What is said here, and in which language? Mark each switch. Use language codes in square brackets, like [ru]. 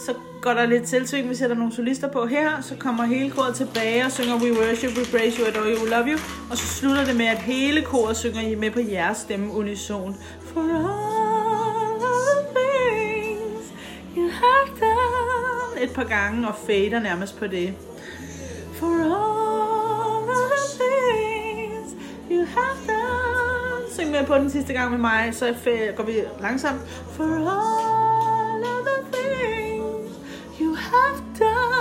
[da] Så går der lidt tilsving, vi sætter nogle solister på her, så kommer hele koret tilbage og synger [en] We worship, we praise you, adore you, we love you. [da] Og så slutter det med, at hele koret synger I med på jeres stemme unison. [en] For all of the things you have done. [da] Et par gange og fader nærmest på det. [en] For all of the things you have done. [da] Syng med på den sidste gang med mig, så går vi langsomt. [en] For all of the things you have done.